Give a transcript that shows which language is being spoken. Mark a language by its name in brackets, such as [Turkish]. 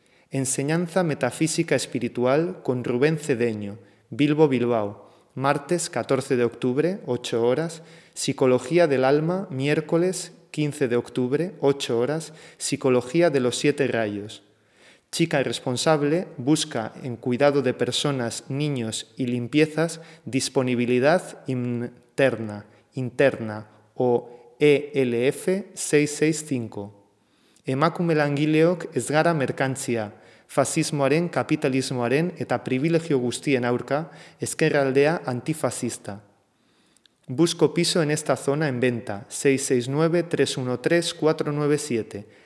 [Spanish] Enseñanza Metafísica Espiritual con Rubén Cedeño, Bilbo Bilbao, martes 14 de octubre, 8 horas, Psicología del Alma, miércoles 15 de octubre, 8 horas, Psicología de los Siete Rayos. Chica responsable, busca en cuidado de personas, niños y limpiezas, disponibilidad interna, interna o ELF 665. [Basque] Emakume langileok ez gara merkantzia. Fasismoaren, kapitalismoaren eta privilegio guztien aurka, ezkerraldea antifascista. [Spanish] Busco piso en esta zona en venta, 669-313-497.